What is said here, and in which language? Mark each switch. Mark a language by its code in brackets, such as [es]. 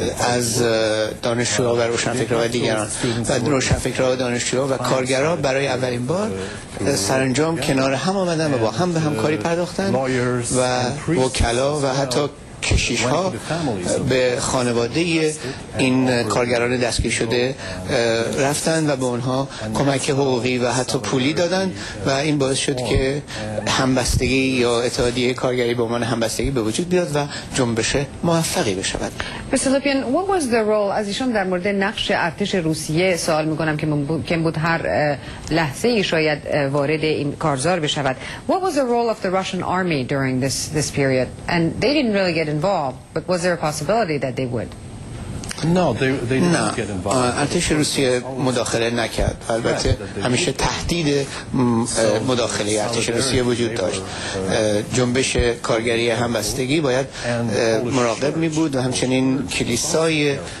[fa] از دانشجوها و روشنفکرها و دیگران و روشنفکرها و دانشجوها و کارگرها برای اولین بار سرانجام کنار هم آمدن و با هم به همکاری پرداختن و وکلا و حتی کشیش ها به خانواده این کارگران دستگیر شده رفتن و به اونها کمک حقوقی و حتی پولی دادن و این باعث شد که همبستگی یا اتحادیه کارگری به عنوان همبستگی به وجود بیاد و جنبش موفقی بشود. [en] Mr. [fa] Lipien, [en] what was the role, [fa] از ایشون در مورد نقش ارتش روسیه سوال میکنم که ممکن بود هر لحظه ای شاید وارد این کارزار بشود. [en] What was the role of the Russian army during this period? And they didn't really get involved, but was there a possibility that they would? No, they didn't get involved. [fa] ارتش روسیه مداخله نکرد. البته همیشه تهدید مداخله ارتش روسیه وجود داشت. جنبش کارگری همبستگی باید مراقب می بود و همچنین کلیسای